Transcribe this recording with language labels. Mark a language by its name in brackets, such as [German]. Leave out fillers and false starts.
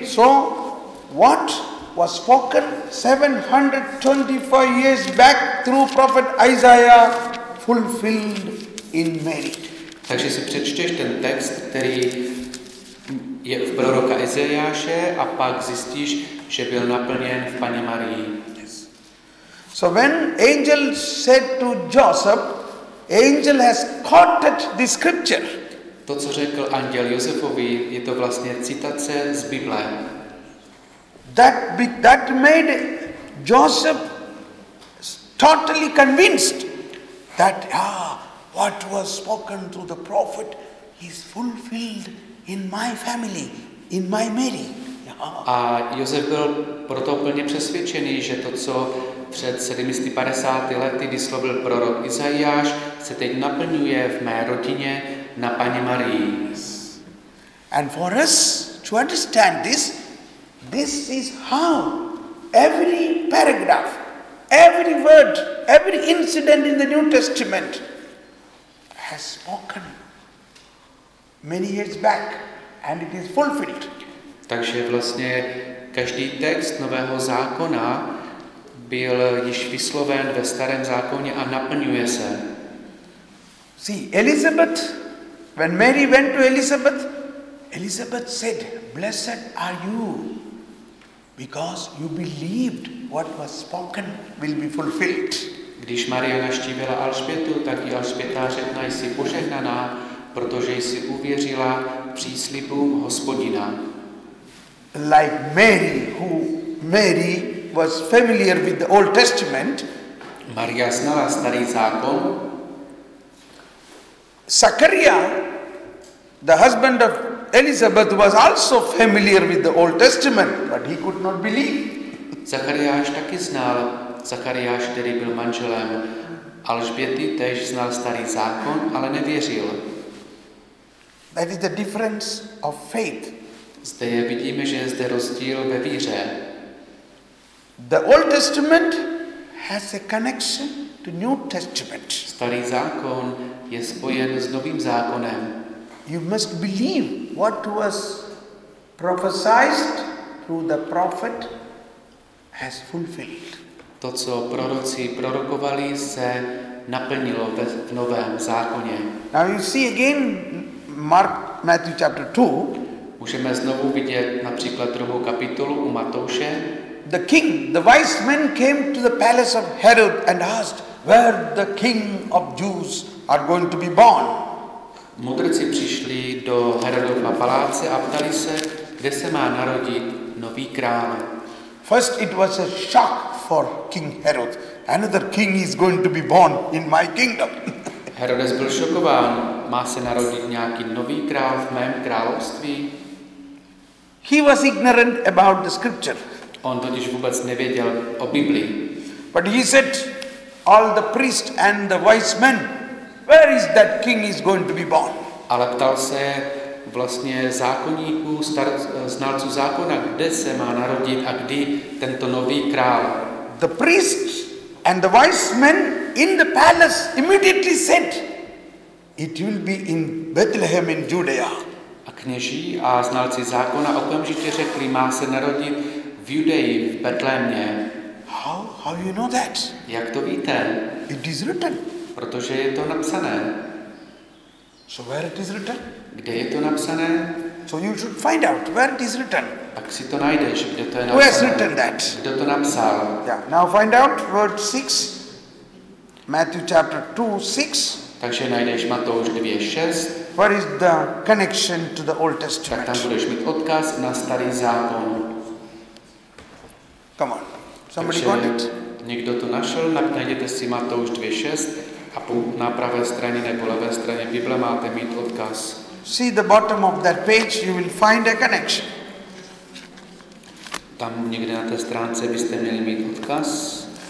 [English] So what was spoken 725 years back through prophet Isaiah fulfilled in Mary. [Czech] Takže si přečteš ten text, který je v proroka Izajáše a pak zjistíš, že byl naplněn v Panně Marii. [English] Yes. So when angel said to Joseph, angel has quoted the scripture. [Czech] To, co řekl anděl Josefovi, je to vlastně citace z Bible. [English] That made Joseph totally convinced that what was spoken to the prophet is fulfilled in my family, in my Mary. [Czech] A Josef byl proto plně přesvědčený, že to, co před 750 lety vyslovil prorok Izajáš, se teď naplňuje v mé rodině na Panně Marii. [English] And for us to understand this, this is how every paragraph, every word, every incident in the New Testament has spoken many years back and it is fulfilled. [Czech] Takže vlastně každý text Nového zákona byl již vysloven ve Starém zákoně a naplňuje se. [English] See, Elizabeth, when Mary went to Elizabeth, Elizabeth said, blessed are you, because you believed what was spoken will be fulfilled. [Czech] Když Maria navštívila Alžbětu, tak i Alžběta řekla, jsi požehnaná, protože jsi uvěřila příslibům Hospodina. [English] Like Mary was familiar with the Old Testament. [Czech] Maria znala Starý zákon. [English] Zachariah, the husband of Elizabeth, was also familiar with the Old Testament, but he could not believe. [Czech] Zachariáš taky znal. Zachariáš, který byl manželem Alžběty, též znal Starý zákon, ale nevěřil. [English] That is the difference of faith. [Czech] Zde je, vidíme, že je zde rozdíl ve víře. [English] The Old Testament has a connection the New Testament. [Czech] Starý zákon je spojen s novým zákonem. [English] You must believe what was prophesied through the prophet has fulfilled. [Czech] To, co proroci prorokovali, se naplnilo v novém zákoně. [English] Now you see again Mark Matthew chapter 2. [Czech] Můžeme znovu vidět například druhou kapitolu u Matouše. [English] The king, the wise men came to the palace of Herod and asked where the king of Jews are going to be born. [Czech] Mudrci přišli do Herodova paláce a ptali se, kde se má narodit nový král. [English] First it was a shock for King Herod. Another king is going to be born in my kingdom. [Czech] Herodes byl šokován, má se narodit nějaký nový král v mém království. [English] He was ignorant about the scripture. [Czech] On totiž vůbec nevěděl o Biblii. [English] But he said all the priests and the wise men, where is that king is going to be born? [Czech] Ale ptal se vlastně zákonníků, znalců zákona, kde se má narodit a kdy tento nový král. [English] The priests and the wise men in the palace immediately said it will be in Bethlehem in Judea. [Czech] A kněží a znalci zákona okamžitě řekli, má se narodit v Judeji, v Betlémě. [English] How you know that? [Czech] Jak to víte? [English] It is written. [Czech] Protože je to napsané. [English] So where it is written? [Czech] Kde je to napsané? [English] So you should find out where it is written. [Czech] Tak si to najdeš, kde to je napsané. [English] Who has written that? [Czech] Kdo to napsal? [English] Yeah. Now find out verse 6. Matthew chapter 2, 6. [Czech] Takže najdeš Matouš 2, 6. [English] What is the connection to the Old Testament? [Czech] Tak tam budeš mít odkaz na starý zákon. [English] Come on. Somebody got it? [Czech] Někdo to našel, najděte si Matouš 2, 6. A na pravé straně nebo levé straně Bible máte mít odkaz. [English] See the bottom of that page, you will find a connection. [Czech] Tam někde na té stránce byste měli mít odkaz.